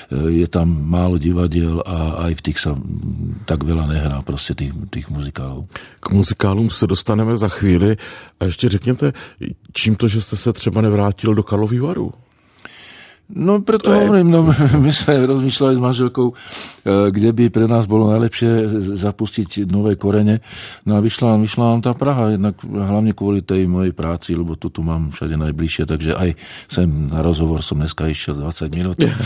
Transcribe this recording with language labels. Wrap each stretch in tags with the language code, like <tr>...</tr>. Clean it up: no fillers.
<sk>Je tam málo divadiel a aj v tých sa tak veľa nehrá prostě tých muzikálov.</sk> <cs>K muzikálům se dostaneme za chvíli. A ještě řekněte, čím to, že jste se třeba nevrátil do Karlových Varů?</cs> <sk>No, proto hovorím, no,</sk> <cs>my jsme</cs> <sk>rozmýšleli s manželkou, kde by pre nás bolo najlepšie zapustiť nové korene. No a vyšla nám tá Praha, jednak hlavne kvôli tej mojej práci, lebo to tu mám všade najbližšie, takže aj sem na rozhovor som dneska išiel 20 minút.</sk>